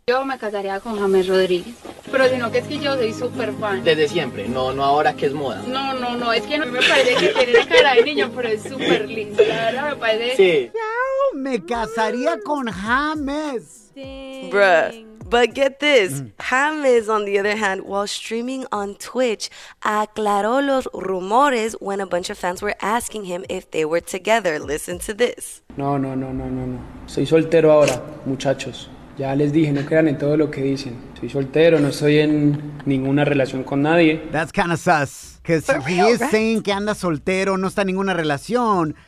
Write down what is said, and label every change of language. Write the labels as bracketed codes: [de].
[es] Yo me casaría con James Rodríguez, pero sino que es que yo soy súper fan. Desde siempre, no ahora que es moda. No, es que no me parece que tiene cara de niño, pero es súper lindo, la verdad me parece. Sí. Yo me casaría con James. [en] Dang. Bruh. But get this, James, on the other hand, while streaming on Twitch, [es] aclaró los rumores [en] when a bunch of fans were asking him if they were together. Listen to this. [es] No. Soy soltero ahora, muchachos. Ya les dije, no crean en todo lo que dicen. Soy soltero, no estoy en ninguna relación con nadie. [en] That's kind of sus. Because he real, is right? saying [es] que anda soltero, no está en ninguna relación.